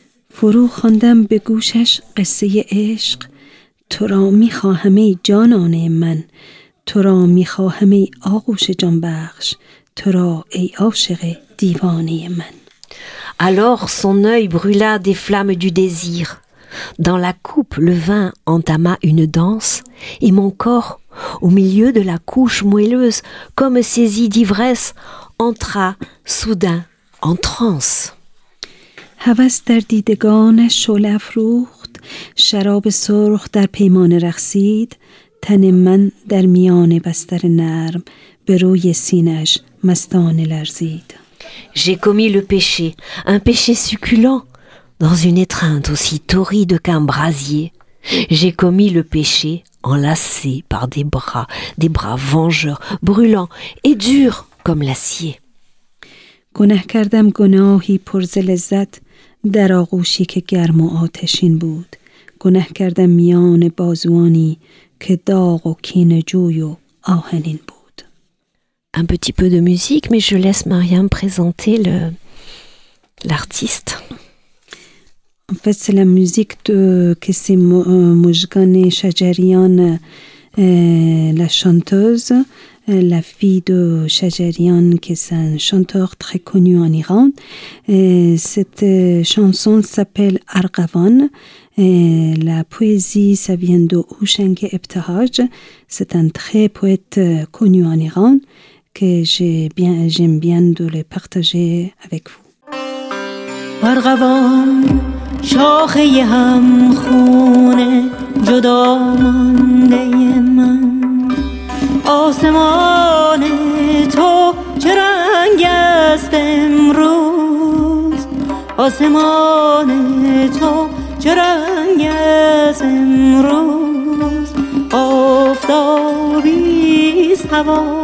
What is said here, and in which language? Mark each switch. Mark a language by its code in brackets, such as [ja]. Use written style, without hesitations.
[fa] فرو خواندم به گوشش قصه عشق. تو را می خواهم ای جانان من، تو را می خواهم ای آغوش جان بخش، تو را ای عاشق دیوانه من. [fr] Alors son œil brûla des flammes du désir. Dans la coupe, le vin entama une danse, et mon corps, au milieu de la couche moelleuse, comme saisi d'ivresse, entra soudain en transe. [fa] هوس در دیدگان شعله افروخت، شراب سرخ در پیمانه رقصید، تن من در میان بستر نرم به روی سینه‌اش مستان لرزید. [fr] J'ai commis le péché, un péché succulent, dans une étreinte aussi torride qu'un brasier. J'ai commis le péché enlacé par des bras vengeurs, brûlants et durs comme l'acier. [fa] گناه کردم گناهی پر ز لذت در آغوشی که گرم و آتشین بود. گناه کردم میان بازوانی که داغ و کینه‌جوی و آهنین بود. [fr] Un petit peu de musique, mais je laisse Mariam présenter l'artiste. En fait, c'est la musique de Kessé Mojgane Chajarian, la chanteuse, la fille de Chajarian, qui est un chanteur très connu en Iran. Cette chanson s'appelle Arghavan. La poésie, ça vient de Hushang Ebtahaj. C'est un très poète connu en Iran. Que j'aime bien de le partager avec vous. [fa] ارغوان شاخه هم خونه جدا مانده من، آسمان تو چه رنگ است امروز، آسمان تو چه رنگ است امروز، آفتابی است هوا